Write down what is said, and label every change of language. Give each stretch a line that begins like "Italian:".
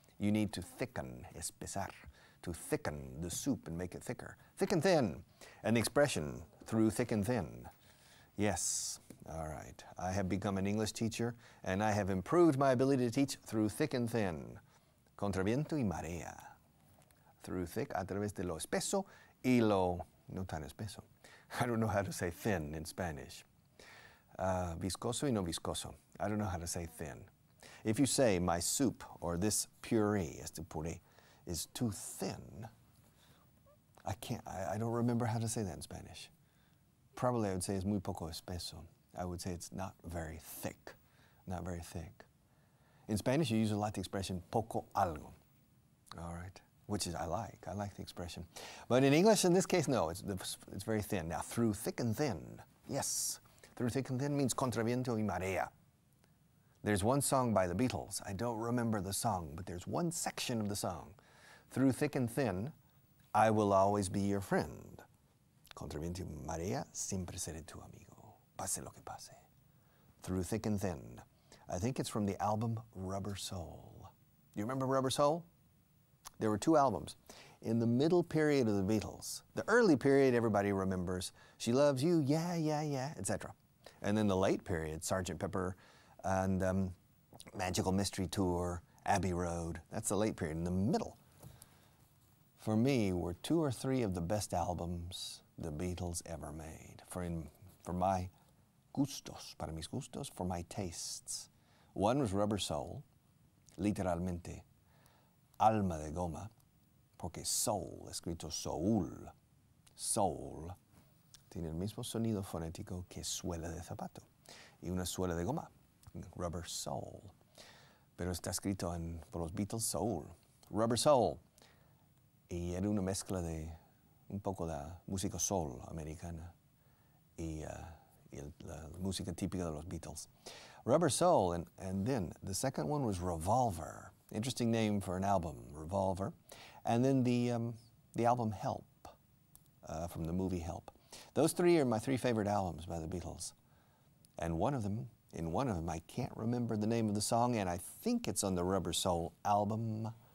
English: You need to thicken,
Spanish: espesar,
English: to thicken the soup and make it thicker. Thick and thin, and the expression, through thick and thin. Yes, all right. I have become an English teacher, and I have improved my ability to teach through thick and thin.
Spanish: Contra viento y marea.
English: Through thick,
Spanish: a través de lo espeso y lo no tan espeso.
English: I don't know how to say thin in Spanish.
Spanish: Viscoso y no viscoso.
English: I don't know how to say thin. If you say my soup or this puree,
Spanish: este puré,
English: is too thin, I don't remember how to say that in Spanish. Probably I would say
Spanish: es muy poco espeso.
English: I would say it's not very thick. Not very thick. In Spanish you use a lot the expression
Spanish: poco algo.
English: All right. Which is I like the expression. But in English in this case, no, it's very thin. Now through thick and thin. Yes. Through thick and thin means
Spanish: contra viento y marea.
English: There's one song by the Beatles. I don't remember the song, but there's one section of the song. Through thick and thin, I will always be your friend.
Spanish: Contra viento y marea, siempre seré tu amigo. Pase lo que pase.
English: Through thick and thin. I think it's from the album Rubber Soul. Do you remember Rubber Soul? There were two albums. In the middle period of the Beatles, the early period everybody remembers, She Loves You, Yeah, Yeah, Yeah, etc. And then the late period, Sgt. Pepper and Magical Mystery Tour, Abbey Road, that's the late period. In the middle, for me, were two or three of the best albums the Beatles ever made. For my gustos,
Spanish: para mis gustos,
English: for my tastes.
Spanish: One was Rubber Soul, literalmente, Alma de Goma, porque soul, escrito soul, soul, tiene el mismo sonido fonético que suela de zapato y una suela de goma, rubber soul. Pero está escrito en, por los Beatles, soul, rubber soul. Y era una mezcla de un poco de música soul americana y la música típica de los Beatles.
English: Rubber Soul, and then the second one was Revolver. Interesting name for an album, Revolver. And then the album Help, from the movie Help. Those three are my three favorite albums by the Beatles. And in one of them, I can't remember the name of the song, and I think it's on the Rubber Soul album.